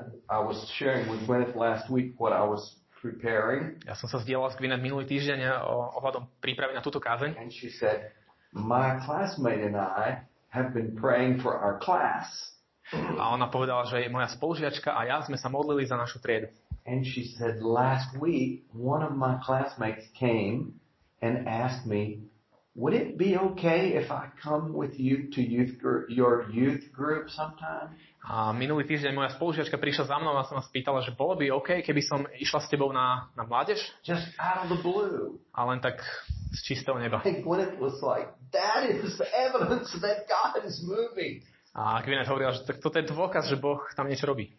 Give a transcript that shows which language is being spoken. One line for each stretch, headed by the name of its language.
English: I was sharing with Gwyneth last week what I was preparing.
Slovak: Ja som sa zdieľal s Gwyneth minulý týždeň ohľadom prípravy na túto kázeň.
English: And she said, my classmate and I have been praying for our class.
Slovak: A ona povedala, že moja spolužiačka a ja sme sa modlili za našu triedu.
English: And she said, last week, one of my classmates came and asked me, would it be okay if I come with you to your youth group sometime?
Slovak: A minulý týždeň moja spolužiačka prišla za mnou a sa ma spýtala, že bolo by okay, keby som išla s tebou na mládež?
English: Just out of the blue.
Slovak: A len tak z čistého neba.
English: And Gwyneth was like, that is evidence that God is moving.
Slovak: A Gwyneth hovorila, že to je dôkaz, že Boh tam niečo robí.